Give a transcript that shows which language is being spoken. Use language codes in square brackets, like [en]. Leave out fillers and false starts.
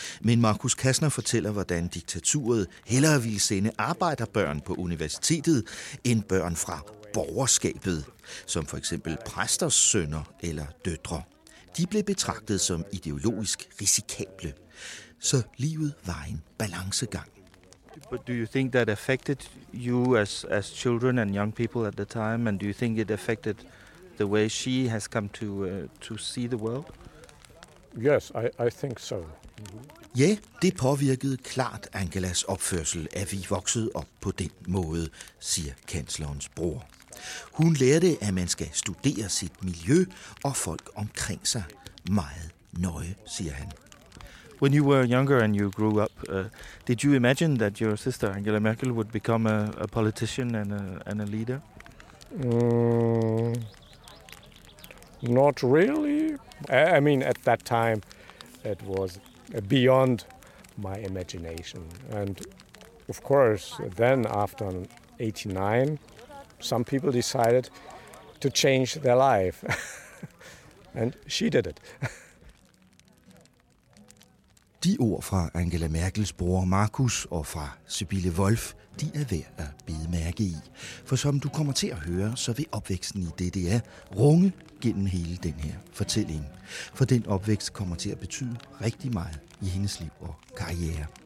[da] Men Markus Kastner fortæller, hvordan diktaturet hellere ville sende arbejderbørn på universitetet end børn fra borgerskabet, som for eksempel præsters sønner eller døtre. De blev betragtet som ideologisk risikable. Så livet var en balancegang. [en] But do you think that affected you as children and young people at the time, and do you think it affected the way she has come to see the world? Yes, I think so. [da] Ja, det påvirkede klart Angelas opførsel, at vi voksede op på den måde, siger kanslerens bror. Hun lærte, at man skal studere sit miljø og folk omkring sig meget nøje, siger han. [en] When you were younger and you grew up, did you imagine that your sister Angela Merkel would become a politician and a leader? Not really. I mean, at that time, that was beyond my imagination. And of course, then after 89, some people decided to change their life. And she did it. [da] De ord fra Angela Merkels bror Markus og fra Sibylle Wolf, de er værd at bide mærke i. For som du kommer til at høre, så vil opvæksten i DDR runge gennem hele den her fortælling. For den opvækst kommer til at betyde rigtig meget i hendes liv og karriere.